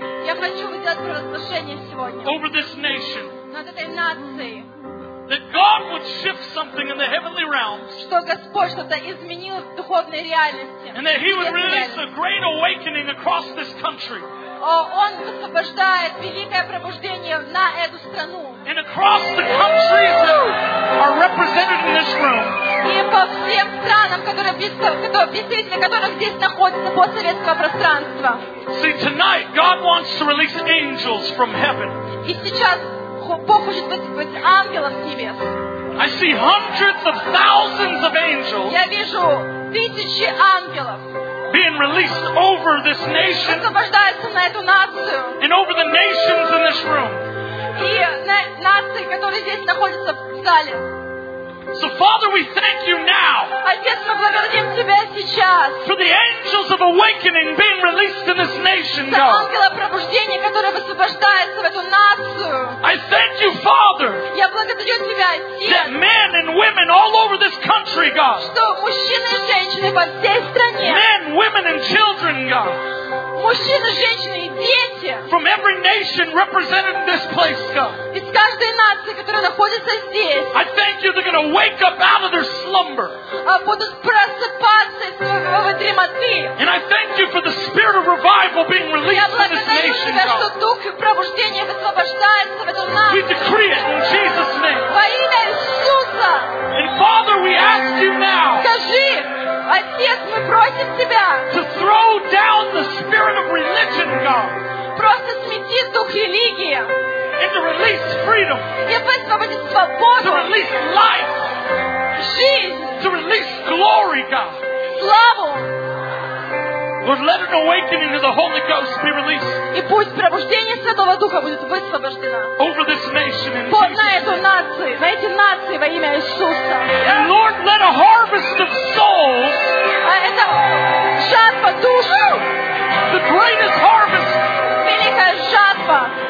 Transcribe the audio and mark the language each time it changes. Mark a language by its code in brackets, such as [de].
[ru] Я хочу сделать провозглашение сегодня. [en] Over this nation. [ru] Над этой нацией. [en] That God would shift something in the heavenly realms. [ru] Что Господь что-то изменил в духовной реальности. [en] And that He would release a great awakening across this country. [ru] Он высвобождает великое пробуждение на эту страну. [en] And across the countries that are represented in this room. [ru] И по всем странам, которые здесь находятся постсоветского пространства. [en] See, tonight God wants to release angels from heaven. [ru] И сейчас Бог хочет быть ангелом с небес. [en] I see hundreds of thousands of angels. [ru] Я вижу тысячи ангелов. [en] Being released over this nation. [ru] Освобождается на эту нацию. [en] And over the nations in this room. [ru] И на нации, которые здесь находятся в зале. [en] So Father, we thank you now. [ru] Отец, мы благодарим тебя сейчас. [en] For the angels of awakening being released in this nation, God. [ru] За ангела пробуждения, который высвобождается в эту нацию. [en] I thank you, Father. [ru] Я благодарю тебя, Отец. [en] That men and women all over this country, God. [ru] Что мужчины и женщины во всей стране. [en] Men, women and children, God. [ru] Мужчины, женщины и дети. [en] From every nation represented in this place, God. [ru] Из каждой нации, которая находится здесь. [en] I thank you, they're going to wake up out of their slumber. [ru] Будут просыпаться из своего дремоты. [en] And I thank you for the spirit of revival being released in this nation, God. [ru] Я благодарю тебя, что дух пробуждения высвобождается в эту нацию. [en] We decree it in Jesus' name. [ru] Во имя Иисуса. [en] And Father, we ask you now. [ru] Скажи. Отец, мы просим тебя. [en] To throw down the spirit of religion, God. [ru] Просто смети дух религии. [en] And to release freedom. [ru] И высвободить свободу. [en] To release life. [ru] Жизнь. [en] To release glory, God. [ru] Славу. [en] Lord, let an awakening of the Holy Ghost be released. [ru] И пусть пробуждение Святого Духа будет высвобождено. [en] Over this nation in Jesus. [ru] На эту нацию, на эти нации во имя Иисуса. [en] And Lord, let a harvest of souls. [ru] Это жатва душ. [en] The greatest harvest. [ru] Великая жатва.